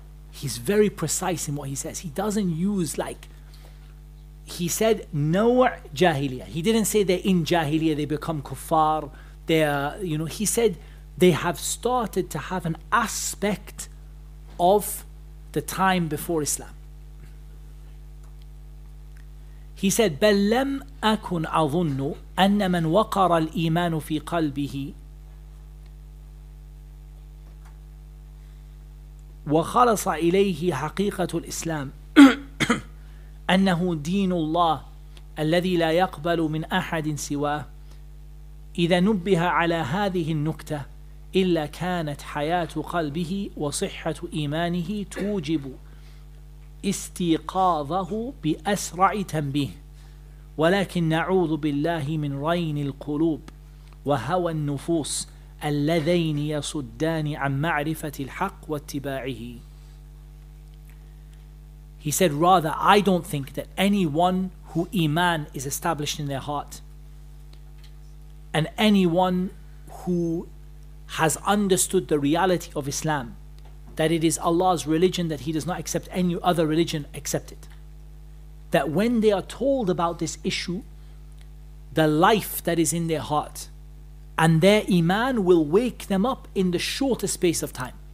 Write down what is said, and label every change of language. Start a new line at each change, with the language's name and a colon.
English: He's very precise in what he says. He doesn't use like, he said,
Arabic: نَوْعْ جَاهِلِيَةً.
English: He didn't say they're in jahiliyyah, they become kuffar, he said they have started to have an aspect of the time before Islam. He said,
Arabic: بَلْ لَمْ أَكُنْ أَظُنُّ أَنَّ مَنْ وَقَرَ الْإِيمَانُ فِي قَلْبِهِ وَخَلَصَ إِلَيْهِ حَقِيقَةُ الْإِسْلَامِ أنه دين الله الذي لا يقبل من أحد سواه إذا نبه على هذه النكتة إلا كانت حياة قلبه وصحة إيمانه توجب استيقاظه بأسرع تنبيه ولكن نعوذ بالله من رين القلوب وهوى النفوس اللذين يصدان عن معرفة الحق واتباعه.
English: He said, rather, I don't think that anyone who iman is established in their heart and anyone who has understood the reality of Islam, that it is Allah's religion, that he does not accept any other religion except it, that when they are told about this issue, the life that is in their heart and their iman will wake them up in the shortest space of time.